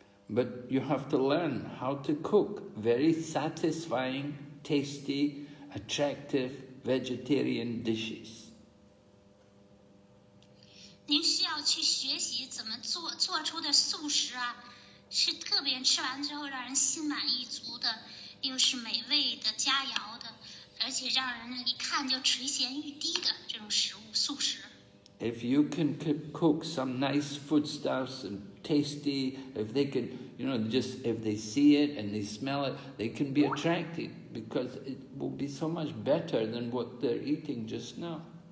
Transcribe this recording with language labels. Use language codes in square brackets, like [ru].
[en] But you have to learn how to cook very satisfying, tasty, attractive vegetarian dishes. [zh] 您需要去学习怎么做出的素食啊，是特别吃完之后让人心满意足的，又是美味的佳肴的，而且让人一看就垂涎欲滴的这种食物素食。 [en] If you can cook some nice foodstuffs and tasty, if they can, you know, just if they see it and they smell it, they can be attracted because it will be so much better than what they're eating just now.